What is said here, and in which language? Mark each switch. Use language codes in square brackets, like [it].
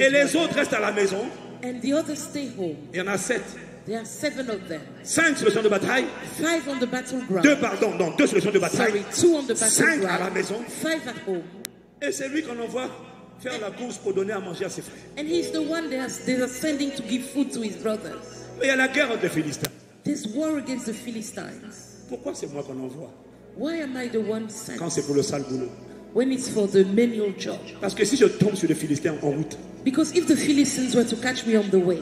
[fr] Et les autres restent à la maison. [en] And the others stay home. [fr] Il y en a sept. [en] There are seven of them. [fr] Cinq sur le champ de bataille. [en] Five on the battleground. [fr] Deux, pardon, non, deux sur le champ de bataille. [en] Sorry, two on the battleground. [fr] Cinq à la maison. [en] Five at home. [fr] Et c'est lui qu'on envoie faire la course pour donner à manger à ses frères. [en] And he's the one they are sending to give food to his brothers. [fr] Mais il y a la guerre entre les Philistins. [en] There's war against the Philistines. [fr] Pourquoi c'est moi qu'on envoie? [en] Why am I the one sent? [fr] Quand c'est pour le sale boulot. [en] When it's for the menial job. [fr] Parce que si je tombe sur les Philistins en route. [en] Because if the Philistines were to catch me on the way.